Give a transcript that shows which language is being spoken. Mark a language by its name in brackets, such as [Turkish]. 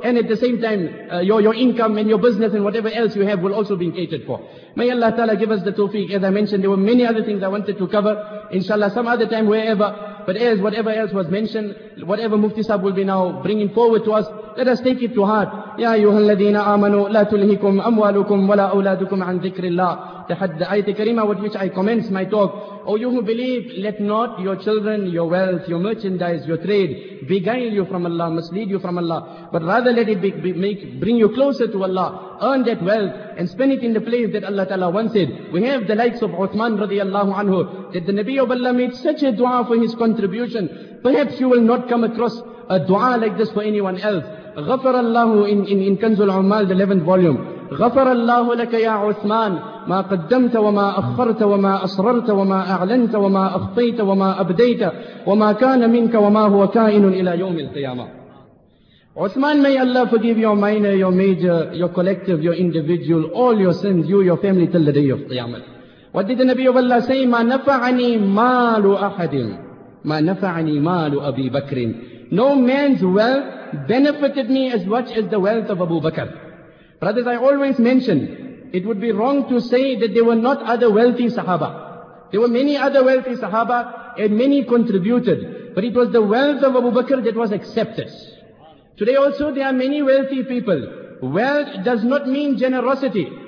[English] And at the same time, your income and your business and whatever else you have will also be catered for. May Allah Ta'ala give us the tawfiq. As I mentioned, there were many other things I wanted to cover. Inshallah, some other time, wherever. But as whatever else was mentioned, whatever Mufti Sahib will be now bringing forward to us, let us take it to heart. [Arabic] يا أيها الذين آمنوا لا تلهكم أموالكم ولا أولادكم عن ذكر الله. تحدث آية كريمة [English] with which I commence my talk. Oh, you who believe, let not your children, your wealth, your merchandise, your trade beguile you from Allah, mislead you from Allah, but rather let it bring you closer to Allah. Earn that wealth and spend it in the place that Allah Ta'ala wants it. We have the likes of Uthman radiallahu anhu, that the Nabi of Allah made such a dua for his contribution. Perhaps you will not come across a dua like this for anyone else. [Arabic] غفر الله [English] in Kanzul Umal, the 11th volume. [Arabic] غفر الله لك يا عثمان ما قدمت وما أخرت وما أصررت وما أعلنت وما أخطيت وما أبديت وما كان منك وما هو كائن إلى يوم القيامة. [English] Uthman, may Allah forgive your minor, your major, your collective, your individual, all your sins, you, your family, till the day of Qiyamah. What did the Nabi of Allah say? [Arabic] ما نفعني مال أحد ما نفعني مال أبي بكر. [English] No man's wealth benefited me as much as the wealth of Abu Bakr. Brothers, I always mention, it would be wrong to say that there were not other wealthy Sahaba. There were many other wealthy Sahaba and many contributed. But it was the wealth of Abu Bakr that was accepted. Today also there are many wealthy people. Wealth does not mean generosity.